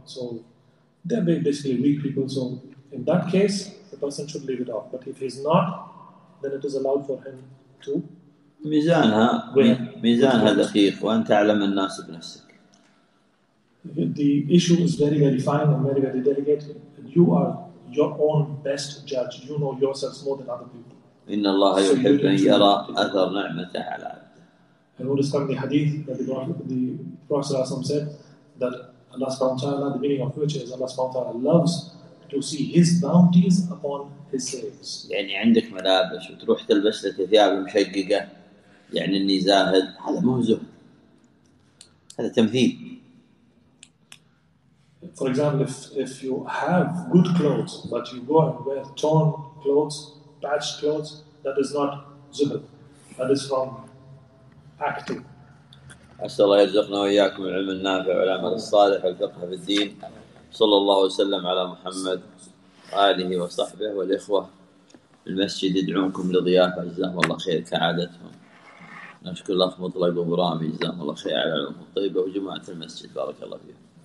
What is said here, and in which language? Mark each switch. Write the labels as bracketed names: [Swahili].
[English] So they're basically weak people, so in that case, the person should leave it off. But if he's not, then it is allowed for him to. [Arabic] ميزانها ميزانها دقيق وأن تعلم الناس بنفسك. [English] The issue is very, very fine and very, very delicate. You are your own best judge. You know yourselves more than other people. [Arabic] إن الله يحب أن يرى أثر نعمته على عبده. [English] And what is coming in the hadith that the Prophet ﷺ said that Allah subhanahu wa ta'ala, the meaning of which is Allah subhanahu wa ta'ala loves to see His bounties upon His slaves. [Arabic] يعني عندك ملابس وتروح تلبس لك ثياب مشققة يعني إني زاهد هذا مو زهد. هذا تمثيل. [English] For example, if you have good clothes, but you go and wear torn clothes, patched clothes, that is not zuhud. That is from acting. [Arabic] أسأل الله يرزقنا وإياكم العلم النافع والعمل الصالح والفقه في الدين. صلى الله وسلم على محمد وآله وصحبه والإخوة المسجد يدعونكم لضيافة جزاهم الله خير كعادتهم. نشكر الأخ مطلق وبرامي جزاهم الله خير على العلوم الطيبة وجماعة المسجد بارك الله فيهم.